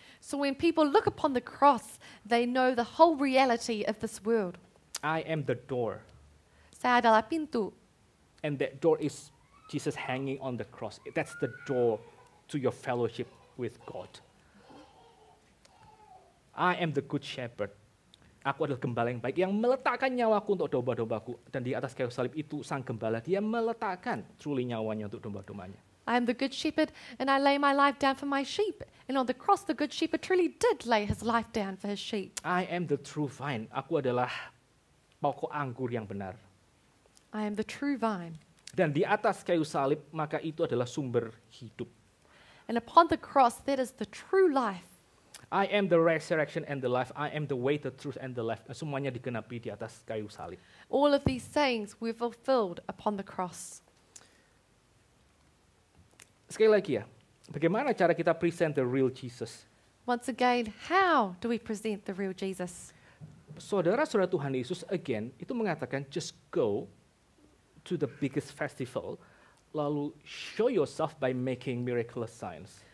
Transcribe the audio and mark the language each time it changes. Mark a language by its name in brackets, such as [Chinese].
[English] So when people look upon the cross, they know the whole reality of this world. I am the door. [Indonesian] Saya adalah pintu. [English] And that door is Jesus hanging on the cross. That's the door to your fellowship with God. I am the good shepherd. [Indonesian] Aku adalah gembala yang baik yang meletakkan nyawaku untuk domba-dombaku, dan di atas kayu salib itu sang gembala dia meletakkan truly nyawanya untuk domba-dombanya. [English] I am the good shepherd and I lay my life down for my sheep. And on the cross the good shepherd truly did lay his life down for his sheep. I am the true vine. [Indonesian] Aku adalah pokok anggur yang benar. [English] I am the true vine. [Indonesian] Dan di atas kayu salib maka itu adalah sumber hidup. [English] And upon the cross that is the true life. I am the resurrection and the life. I am the way, the truth, and the life. [Indonesian] Semuanya digenapi di atas kayu salib. [English] All of these sayings were fulfilled upon the cross. [Indonesian] Sekali lagi ya, bagaimana cara kita [English] present the real Jesus? Once again, how do we present the real Jesus? [Indonesian] Saudara-saudara Tuhan Yesus, [English] again, [Indonesian] itu mengatakan, [English] just go to the biggest festival, [Indonesian] lalu [English] show yourself by making miraculous signs.